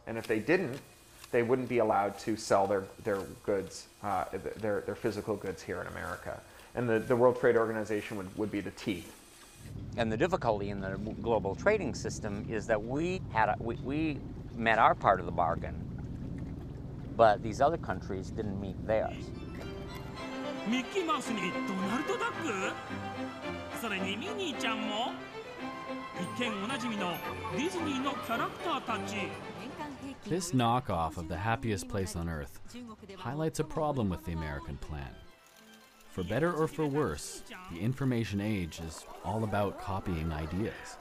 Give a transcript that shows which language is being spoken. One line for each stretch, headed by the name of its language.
English: And if they didn't, they wouldn't be allowed to sell their goods, their physical goods here in America. And the World Trade Organization would be the teeth. And the difficulty in the global trading system is that we met our part of the bargain, but these other countries didn't meet theirs. Mickey Mouse and Donald Duck?
Japanese: それにミニーちゃんも?一見おなじみのディズニーのキャラクターたち。
English: This knockoff of The Happiest Place on Earth highlights a problem with the American plan. For better or for worse, the information age is all about copying ideas.